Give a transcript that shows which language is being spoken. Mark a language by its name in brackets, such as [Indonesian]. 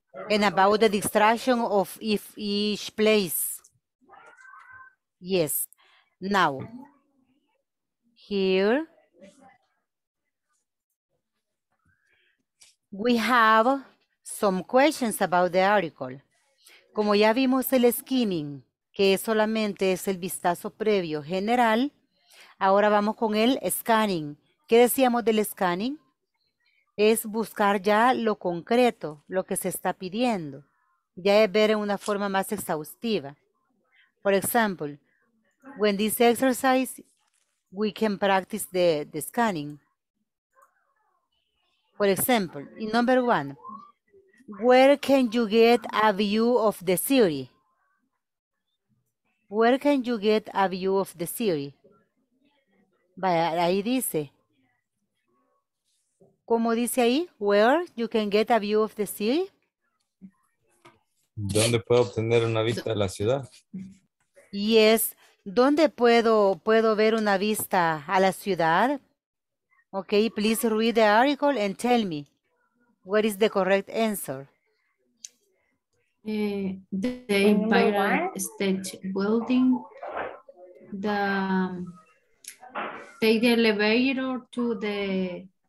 [English] And about the distraction of each place. Yes. Now, here we have some questions about the article. [Spanish] Como ya vimos el skimming, que solamente es el vistazo previo general, ahora vamos con el scanning. ¿Qué decíamos del scanning? Es buscar ya lo concreto, lo que se está pidiendo. Ya es ver en una forma más exhaustiva. [English] For example, when this exercise, we can practice the scanning. For example, in number one, where can you get a view of the city? Where can you get a view of the city? [Spanish] Vaya, ahí dice. ¿Cómo dice ahí? [English] Where you can get a view of the city? [Spanish] ¿Dónde puedo obtener una vista de la ciudad? [English] Yes. [Spanish] ¿Dónde puedo ver una vista a la ciudad? [English] Okay, please read the article and tell me what is the correct answer. The Empire State Building, the take the elevator to the